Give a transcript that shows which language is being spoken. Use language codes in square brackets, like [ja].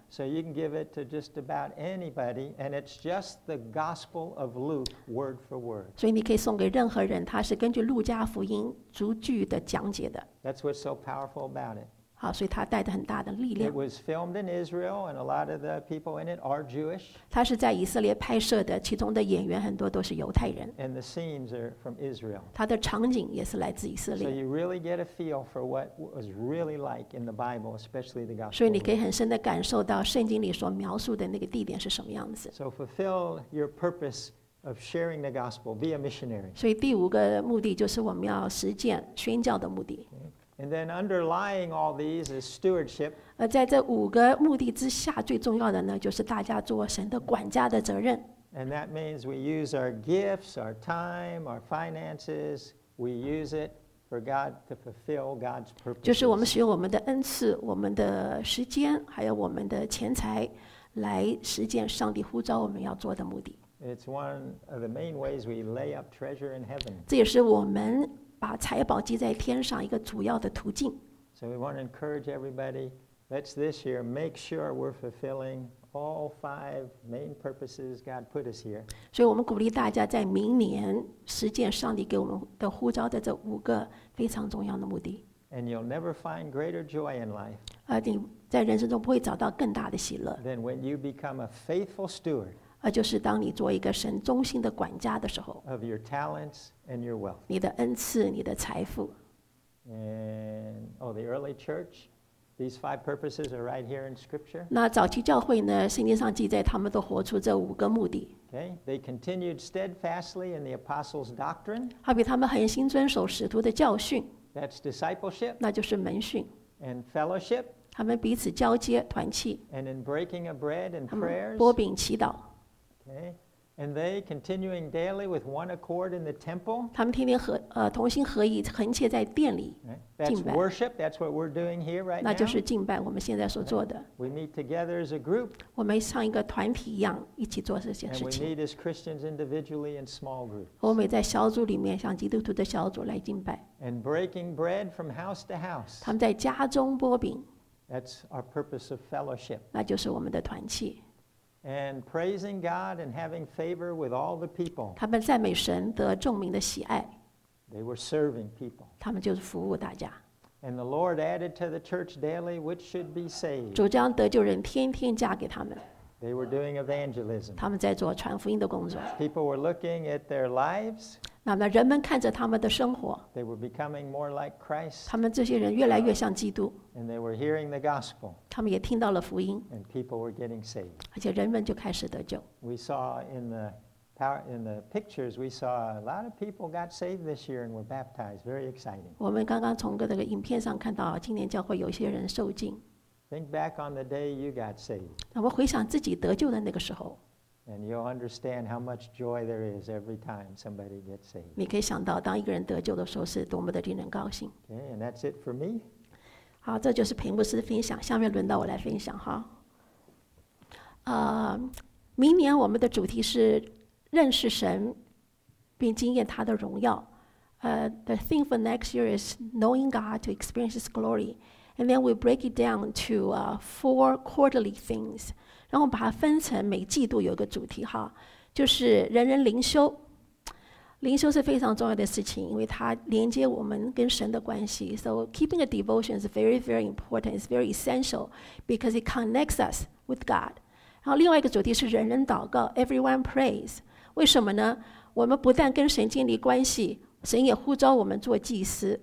[en] So you can give it to just about anybody, and it's just the Gospel of Luke word for word. [zh] 所以你可以送给任何人，它是根据路加福音逐句的讲解的。 [en] That's what's so powerful about it. [zh] 好，所以它带着很大的力量。 [en] It was filmed in Israel, and a lot of the people in it are Jewish. [zh] 它是在以色列拍摄的，其中的演员很多都是犹太人。 [en] And the scenes are from Israel. [zh] 它的场景也是来自以色列。 [en] So you really get a feel for what was really like in the Bible, especially the gospel. [zh] 所以你可以很深的感受到圣经里所描述的那个地点是什么样子。 [en] So fulfill your purpose of sharing the gospel, be a missionary. [zh] 所以第五个目的就是我们要实践宣教的目的。 [en] And then underlying all these is stewardship. [zh] 在这五个目的之下，最重要的呢，就是大家做神的管家的责任。 [en] And that means we use our gifts, our time, our finances. We use it for God to fulfill God's purpose. [zh] 就是我们使用我们的恩赐、我们的时间，还有我们的钱财，来实践上帝呼召我们要做的目的。 [en] It's one of the main ways we lay up treasure in heaven. [zh] 这也是我们。把财宝积在天上一个主要的途径。 [en] So we want to encourage everybody. Let's this year make sure we're fulfilling all five main purposes God put us here. [zh] 所以我们鼓励大家在明年实践上帝给我们的呼召的这五个非常重要的目的。 [en] And you'll never find greater joy in life. [zh] 你在人生中不会找到更大的喜乐。 [en] Than when you become a faithful steward. [zh] 就是当你做一个神忠心的管家的时候。 [en] Of your talents. And your wealth. [zh] 你的恩赐，你的财富。 [en] And oh, the early church, these five purposes are right here in Scripture. [zh] 那早期教会呢？圣经上记载，他们都活出这五个目的。 [en] Okay, they continued steadfastly in the apostles' doctrine. [zh] 好比他们恒心遵守使徒的教训。 [en] That's discipleship. [zh] 那就是门训。 [en] And fellowship. [zh] 他们彼此交接团契。 [en] And in breaking of bread and prayers. [zh] 擘饼祈祷。 [en] Okay. And they continuing daily with one accord in the temple. [zh] 他们天天合同心合意，恒切在殿里敬拜。 [en] That's worship. That's what we're doing here right now. [zh] 那就是敬拜，我们现在所做的。 [en] We meet together as a group. [zh] 我们像一个团体一样一起做这些事情。 [en] And we meet as Christians individually in small groups. [zh] 我们在小组里面，像基督徒的小组来敬拜。 [en] And breaking bread from house to house. [zh] 他们在家中擘饼。 [en] That's our purpose of fellowship. [zh] 那就是我们的团契。 [en] And praising God and having favor with all the people. [zh] 他们赞美神，得众民的喜爱。 [en] They were serving people. [zh] 他们就是服务大家。 [en] And the Lord added to the church daily which should be saved. [zh] 主将得救人天天加给他们。 [en] They were doing evangelism. [zh] 他们在做传福音的工作。 [en] People were looking at their lives. [zh] 那么人们看着他们的生活。 [en] They were becoming more like Christ. [zh] 他们这些人越来越像基督。 [en] And they were hearing the gospel. [zh] 他们也听到了福音。 [en] And people were getting saved. [zh] 而且人们就开始得救。 [en] We saw in the in the pictures, we saw a lot of people got saved this year and were baptized. Very exciting. [zh] 我们刚刚从这个影片上看到，今年教会有些人受浸。 [en] Think back on the day you got saved. [zh] 那我回想自己得救的那个时候。 [en] And you'll understand how much joy there is every time somebody gets saved. [zh] 你可以想到，当一个人得救的时候，是多么的令人高兴。 [en] Okay, and that's it for me. [zh] 好，这就是平牧师分享，下面轮到我来分享哈。明年我们的主题是认识神并经验他的荣耀。 [en] The theme for next year is knowing God to experience His glory. And then we break it down to four quarterly things. [zh] 然后我们把它分成每季度有一个主题哈，就是人人灵修。灵修是非常重要的事情，因为它连接我们跟神的关系。 [en] So keeping a devotion is very very important. It's very essential because it connects us with God. [zh] 然后另外一个主题是人人祷告， [en] Everyone prays. [zh] 为什么呢？我们不但跟神建立关系，神也呼召我们做祭司。